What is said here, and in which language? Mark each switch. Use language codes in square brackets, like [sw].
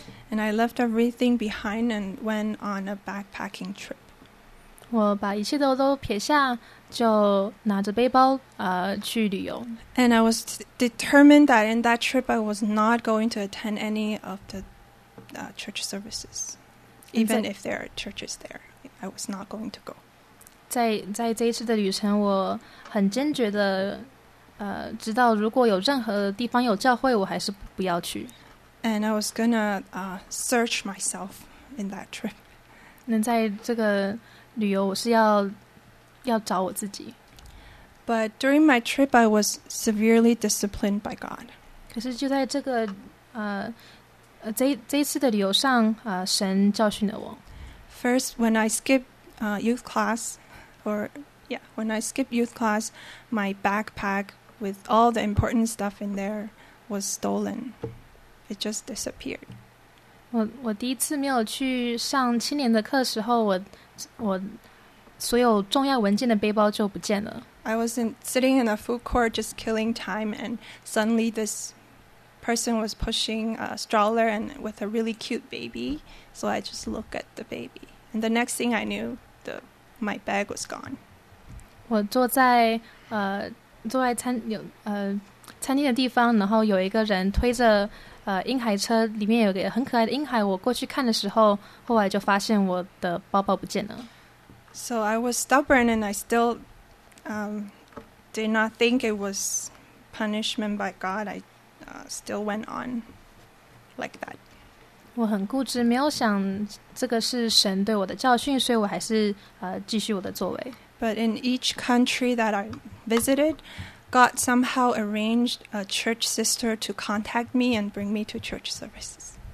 [en] And I left everything behind and went on a backpacking trip. [zh] 我把一切都撇下，就拿着背包去旅游。 [en] And I was determined that in that trip I was not going to attend any of the church services, even if there are churches there. I was not going to go. [zh] 在这一次的旅程，我很坚决的知道如果有任何地方有教会，我还是不要去。 [en] And I was gonna search myself in that trip. [zh] 那在这个旅游，我是要找我自己。 [en] But during my trip, I was severely disciplined by God. [zh] 可是就在这个这一次的旅游上，神教训了我。 [en] First, when I skipped youth class, when I skipped youth class, my backpack with all the important stuff in there was stolen. It just disappeared. [zh] 我第一次没有去上青年的课时候，我所有重要文件的背包就不见了。 [en] I was sitting in a food court just killing time, and suddenly this person was pushing a stroller and with a really cute baby. So I just looked at the baby, and the next thing I knew, my bag was gone. [zh] 我坐在餐厅的地方，然后有一个人推着。婴孩车里面有个很可爱的婴孩，我过去看的时候，后来就发现我的包包不见了。 [en] So I was stubborn and I still did not think it was punishment by God. I still went on like that. [zh] 我很固执，没有想这个是神对我的教训，所以我还是继续我的作为。 [en] But in each country that I visited,God somehow arranged a church sister to contact me and bring me to church services.